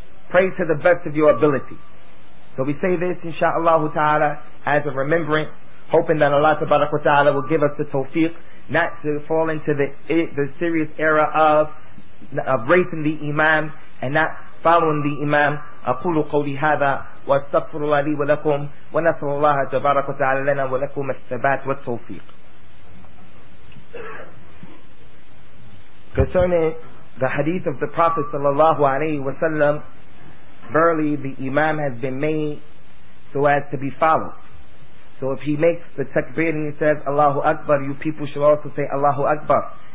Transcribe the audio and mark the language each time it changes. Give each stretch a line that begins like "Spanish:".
English: Pray to the best of your ability. So we say this, insha'Allah ta'ala, as a remembrance, hoping that Allah subhanahu wa ta'ala will give us the tawfiq not to fall into the serious error of racing the Imam and not following the Imam.
Arabic: أقول قولي هذا وأستغفر الله لي ولكم ونسأل الله تبارك وتعالى لنا ولكم الثبات والتوفيق.
English: Concerning the hadith of the Prophet sallallahu alayhi wa sallam, verily the Imam has been made so as to be followed. So if he makes the takbir and he says Allahu Akbar, you people should also say Allahu Akbar.